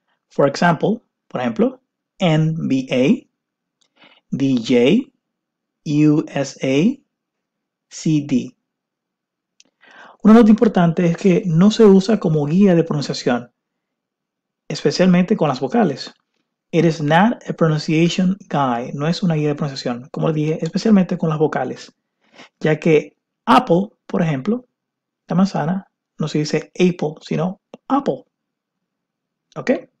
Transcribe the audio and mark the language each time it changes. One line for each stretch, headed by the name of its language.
English: For example,
Spanish: por ejemplo,
English: NBA, DJ, USA, CD.
Spanish: Una nota importante es que no se usa como guía de pronunciación, especialmente con las vocales.
English: It is not a pronunciation guide.
Spanish: No es una guía de pronunciación, como dije, especialmente con las vocales. Ya que Apple, por ejemplo, la manzana no se dice apple, sino apple. ¿Ok?